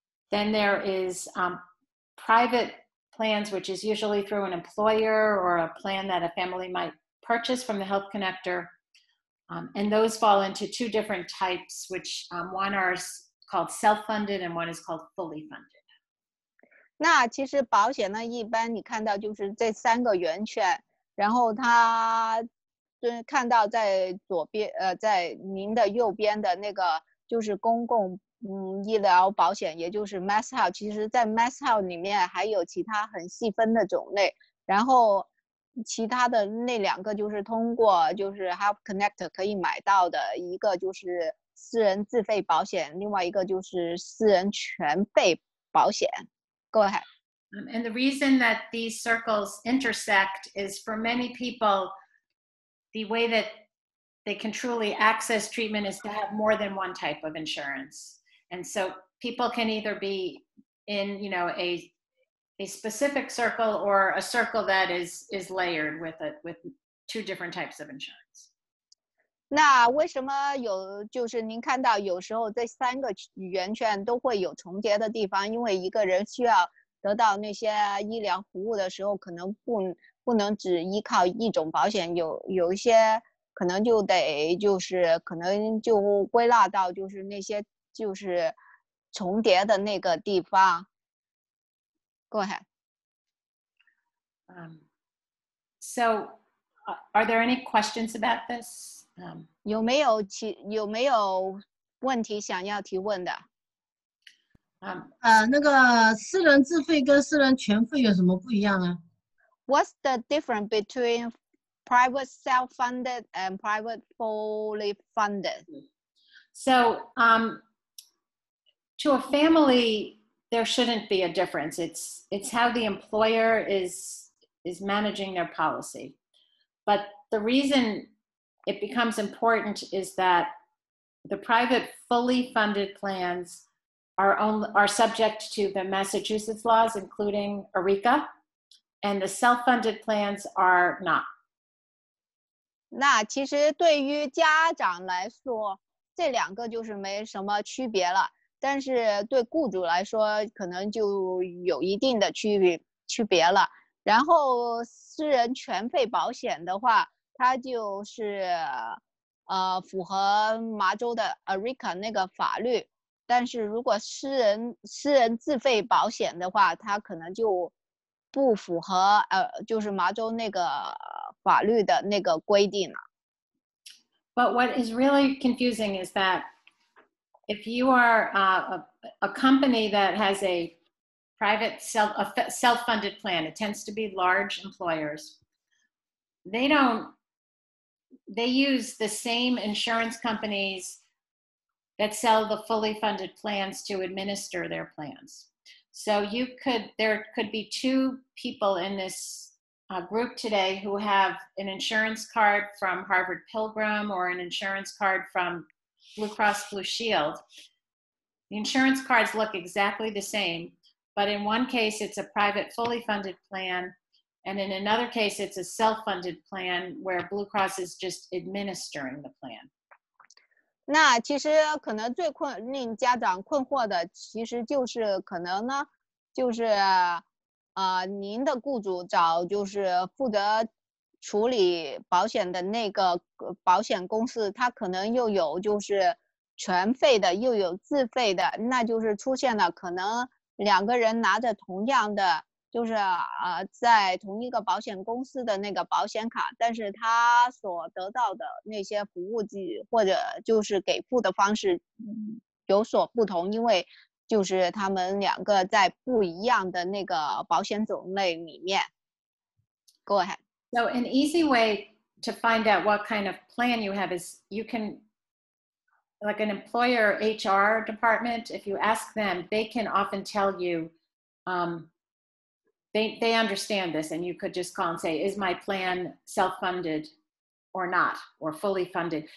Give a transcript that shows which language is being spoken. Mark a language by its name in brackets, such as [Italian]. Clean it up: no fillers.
[English] Then there is private plans, which is usually through an employer or a plan that a family might purchase from the health connector. And those fall into two different types, which one are called self-funded and one is called fully funded. [Chinese] 那其实保险呢，一般你看到就是这三个圆圈，然后它就看到在左边，在您的右边的那个就是公共医疗保险，也就是 mass health。其实，在 mass health 里面还有其他很细分的种类，然后其他的那两个就是通过就是 health connector 可以买到的，一个就是私人自费保险，另外一个就是私人全备保险。 [English] Go ahead. And the reason that these circles intersect is for many people, the way that they can truly access treatment is to have more than one type of insurance. And so people can either be in, you know, a specific circle or a circle that is layered with two different types of insurance. [Chinese] 那为什么有就是您看到有时候这三个圆圈都会有重叠的地方，因为一个人需要得到那些医疗服务的时候可能不能只依靠一种保险，有一些可能就得就是可能就归纳到就是那些就是重叠的那个地方。 [English] Go ahead. So are there any questions about this? [Chinese] 有没有问题想要提问的？那个私人自费跟私人全费有什么不一样呢？ [English] What's the difference between private self-funded and private fully funded? So, to a family, there shouldn't be a difference. It's how the employer is managing their policy. But the reason it becomes important is that the private fully funded plans are subject to the Massachusetts laws, including ERICA, and the self-funded plans are not. [Chinese] 那其实对于家长来说，这两个就是没什么区别了，但是对雇主来说，可能就有一定的区别了。然后私人全费保险的话，它就是符合麻州的 ERICA 那个法律，但是如果私人自费保险的话，它可能就不符合就是麻州那个法律的那个规定了。 [English] But what is really confusing is that if you are a company that has a private self-funded plan, it tends to be large employers, they use the same insurance companies that sell the fully funded plans to administer their plans. So there could be two people in this group today who have an insurance card from Harvard Pilgrim or an insurance card from Blue Cross Blue Shield. The insurance cards look exactly the same, but in one case it's a private fully funded plan, and in another case it's a self-funded plan where Blue Cross is just administering the plan. [Chinese] 那其实可能最困令家长困惑的其实就是可能呢就是您的雇主找就是负责处理保险的那个保险公司，他可能又有就是全费的又有自费的，那就是出现了可能两个人拿着同样的就是在同一个保险公司的那个保险卡，但是他所得到的那些服务及或者就是给付的方式有所不同，因为就是他们两个在不一样的那个保险种类里面。 [English] Go ahead. So an easy way to find out what kind of plan you have is you can, like an employer HR department, if you ask them, they can often tell you, they understand this, and you could just call and say, is my plan self-funded or not, or fully funded?